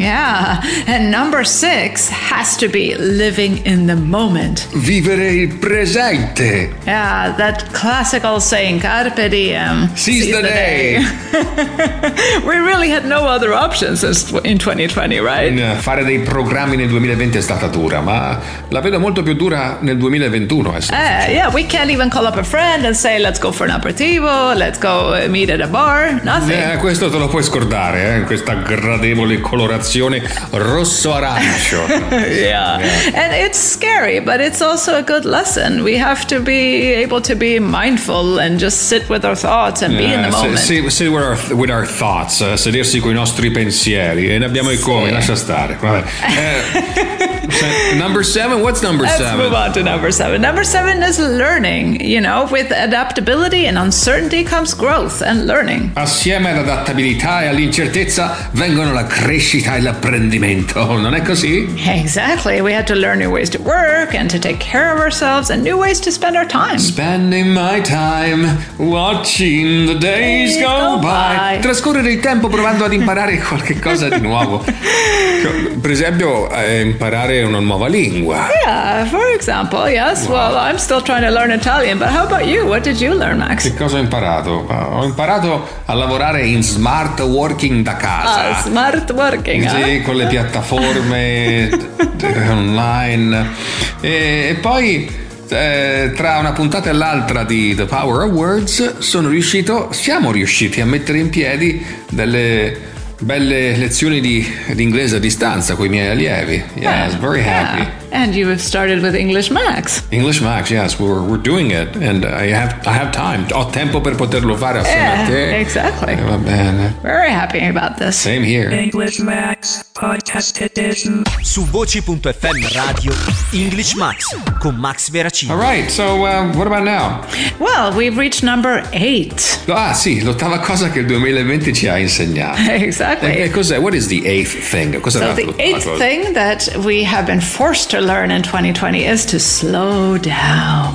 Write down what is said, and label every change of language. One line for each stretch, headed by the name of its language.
English: Yeah, and number 6 has to be living in the moment.
Italian: Vivere il presente.
English: Yeah, that classical saying, carpe diem. Seize the day. We really had no other options in 2020, right?
Italian: Fare dei programmi nel 2020 è stata dura, ma la vedo molto più dura nel 2021.
English: Yeah, we can't even call up a friend and say let's go for an aperitivo, let's go meet at a bar, nothing.
Italian: Questo te lo puoi scordare, questa gradevole colorazione rosso-arancio.
English: Yeah. And it's scary, but it's also a good lesson. We have to be able to be mindful and just sit with our thoughts and be in the moment. Sit with our thoughts. Our thoughts,
Italian: sedersi coi nostri pensieri e ne abbiamo i come, lascia stare.
English: Vabbè. Number 7, what's number 7? Let's move on to number 7. Number 7 is learning, you know, with adaptability and uncertainty comes growth and learning.
Italian: Assieme all'adattabilità e all'incertezza vengono la crescita e l'apprendimento, non è così?
English: Exactly, we had to learn new ways to work and to take care of ourselves and new ways to spend our time. Spending my time watching the days go by.
Italian: Trascorrere il tempo provando ad imparare qualche cosa di nuovo. Per esempio, imparare una nuova lingua.
English: Yeah, for example, yes. Wow. Well, I'm still trying to learn Italian, but how about you? What did you learn, Max?
Italian: Che cosa ho imparato? Ho imparato a lavorare in smart working da casa.
English: Ah, smart working,
Italian: sì, eh? Con le piattaforme online. E poi... tra una puntata e l'altra di The Power of Words siamo riusciti a mettere in piedi delle belle lezioni di inglese a distanza con i miei allievi.
English: Yes, very happy. Yeah. And you have started with English Max. English Max, yes, we're doing it. And I have time.
Italian: Ho tempo per poterlo fare assieme a te.
English: Exactly.
Italian: Va bene.
English: Very happy about this. Same here.
Italian: English Max, podcast edition. Su voci.fm radio, English Max, con Max Veracino.
English: All right, so what about now? Well, we've reached number 8.
Italian: Ah, sì, l'ottava cosa che il 2020 ci ha insegnato.
English: Exactly.
Italian: E cos'è?
English: What is the 8th thing?
Italian: Cos'è
English: so the 8th thing that we have been forced to learn in 2020 is to slow down.